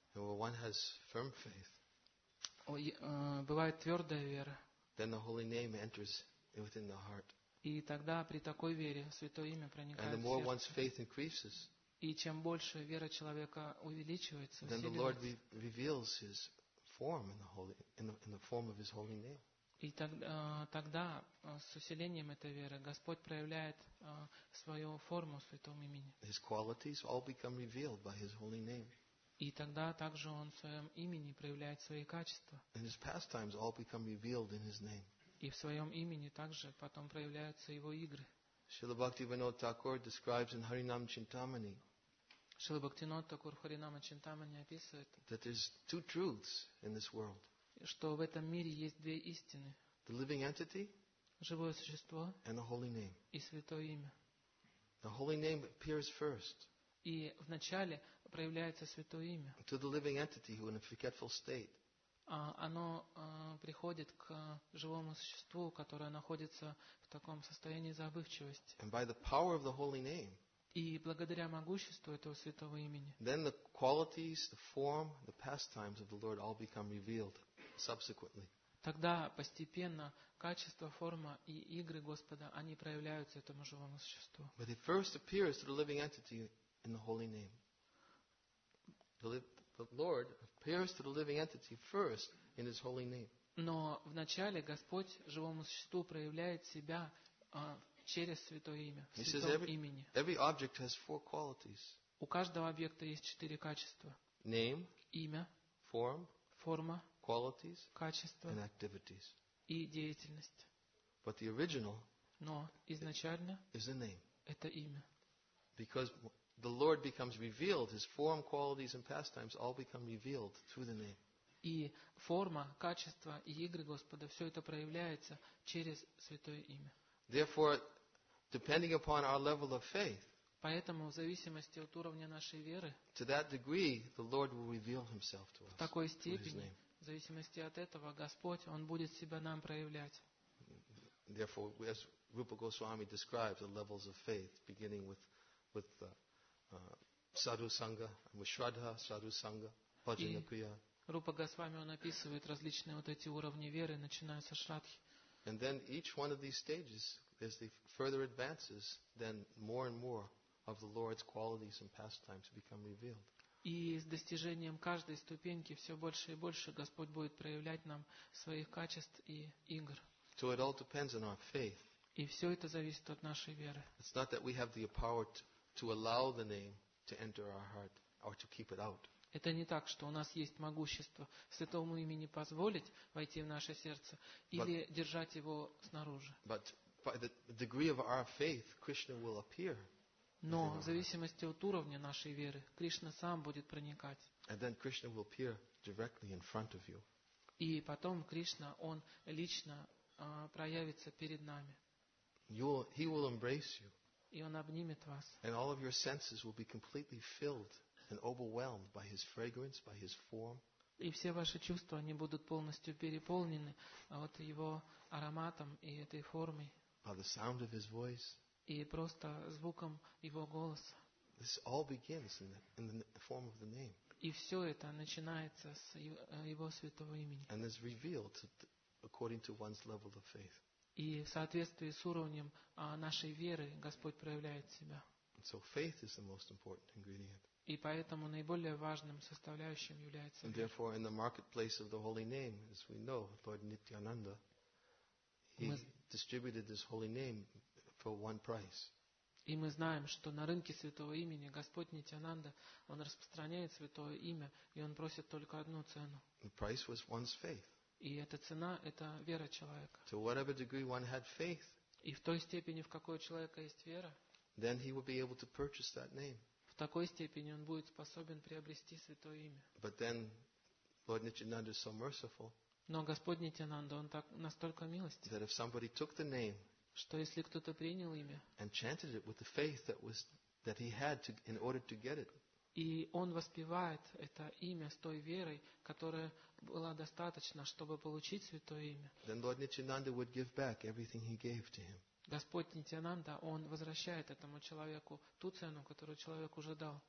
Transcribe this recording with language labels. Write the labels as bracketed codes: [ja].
[en] Well, one has firm faith. [ru] Бывает твердая вера. [en] Then the holy name enters within the heart. [ru] И тогда при такой вере святое имя проникает в сердце. [en] And the more one's faith increases. [ru] И чем больше вера человека увеличивается, [en] then the Lord reveals his form in the holy, in the form of His holy name. [ru] И тогда с усилением этой веры Господь проявляет свою форму в Святом имени. [en] His qualities all become revealed by His holy name. [ru] И тогда также Он в Своем имени проявляет свои качества. [en] And His pastimes all become revealed in His name. [ru] И в Своем имени также потом проявляются Его игры. [en] Шрила Бхактивинода Тхакур describes in Харинам Чинтамани. [ru] Шрила Бхактивинода Тхакур в Харинама Чинтамани описывает, [en] that there's two truths in this world. [ru] Что в этом мире есть две истины. [en] The living entity, [ru] живое существо, [en] and the holy name. [ru] И святое имя. [en] The holy name appears first. [ru] И вначале проявляется святое имя. [en] To the living entity, who in a forgetful state. [ru] Оно приходит к живому существу, которое находится в таком состоянии забывчивости. [en] And by the power of the holy name. [ru] И благодаря могуществу этого святого имени. [en] Then the qualities, the form, the pastimes of the Lord all become revealed subsequently. [ru] Тогда постепенно качество, форма и игры Господа, они проявляются этому живому существу. [en] But it first appears to the living entity in the holy name. The Lord appears to the living entity first in His holy name. [ru] Но вначале Господь живому существу проявляет себя через святое имя, в святом имени. [en] Every object has four qualities. [ru] У каждого объекта есть четыре качества. [en] Name, [ru] имя, [en] form, [ru] форма, [en] qualities, [ru] качество, [en] and activities. [ru] И деятельность. [en] But the original, [ru] но изначально, [en] is a name. [ru] Это имя. [en] Because the Lord becomes revealed, His form, qualities, and pastimes all become revealed through the name. [ru] И форма, качество и игры Господа, все это проявляется через святое имя. [en] Therefore, depending upon our level of faith, [ru] поэтому в зависимости от уровня нашей веры, [en] to that degree, the Lord will reveal Himself to us. [ru] В такой степени, в зависимости от этого, Господь, Он будет Себя нам проявлять. [en] Therefore, as Rupa Goswami describes the levels of faith, beginning with the sadhu sangha, mushraddha, sadhu sangha, bhajana kriya. [ru] Rupa Goswami, Он описывает различные вот эти уровни веры, начиная со шрадхи. [en] And then each one of these stages, as the further advances, then more and more of the Lord's qualities and pastimes become revealed. [ru] И с достижением каждой ступеньки все больше и больше Господь будет проявлять нам своих качеств и игр. [en] So it all depends on our faith. [ru] И все это зависит от нашей веры. [en] It's not that we have the power to allow the name to enter our heart or to keep it out. [ru] Это не так, что у нас есть могущество святому имени позволить войти в наше сердце или держать его снаружи. [en] But by the degree of our faith, Krishna will appear. [ru] Но в зависимости от уровня нашей веры, Кришна сам будет проникать. [en] And then Krishna will appear directly in front of you. [ru] И потом Кришна, Он лично проявится перед нами. [en] He will embrace you. [ru] И Он обнимет вас. [en] And all of your senses will be completely filled and overwhelmed by His fragrance, by His form. [ru] И все ваши чувства, они будут полностью переполнены вот Его ароматом и этой формой. [en] By the sound of His voice. [ru] И просто звуком Его голоса. [en] This all begins in the form of the name. [ru] И все это начинается с Его святого имени. [en] And is revealed according to one's level of faith. [ru] И в соответствии с уровнем нашей веры Господь проявляет Себя. [en] And so faith is the most important ingredient. [ru] И поэтому наиболее важным составляющим является. [en] And therefore, in the marketplace of the holy name, as we know, Lord Nityananda, He distributed this holy name for one price. [ru] И мы знаем, что на рынке святого имени Господь Нитьянанда, Он распространяет святое имя, и Он просит только одну цену. [en] The price was one's faith. [ru] И эта цена – это вера человека. [en] To whatever degree one had faith. [ru] И в той степени, в какой у человека есть вера. [en] Then he would be able to purchase that name. [ru] В такой степени он будет способен приобрести святое имя. [en] But then Lord Nityananda is so merciful. [ru] Но Господь Нитьянанда, Он так настолько милостив. [en] That if somebody took the name. [ru] Что если кто-то принял имя. [en] And chanted it with the faith that he had to in order to get it. [ru] И он воспевает это имя с той верой, которая была достаточна, чтобы получить святое имя. [en] Then Lord Nityananda would give back everything he gave to him. [ru] Господь Нитьянанда, Он возвращает этому человеку ту цену, которую человек уже дал.